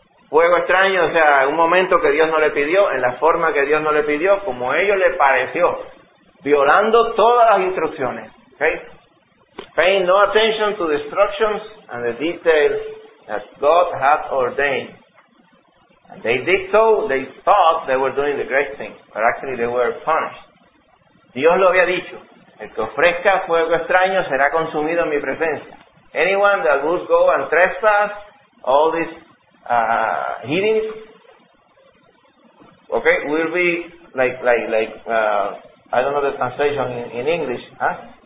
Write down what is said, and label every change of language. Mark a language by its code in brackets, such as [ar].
[es] Fuego extraño, o sea, un momento que Dios no le pidió, en la forma que Dios no le pidió, como a ellos le pareció, violando todas las instrucciones. [en] Okay. Paying no attention to the instructions and the details that God had ordained. And they did so, they thought they were doing the great thing, but actually they were punished. [es] Dios lo había dicho, el que ofrezca fuego extraño será consumido en mi presencia. [en] Anyone that would go and trespass, all these heathens, okay, will be I don't know the translation in English, huh?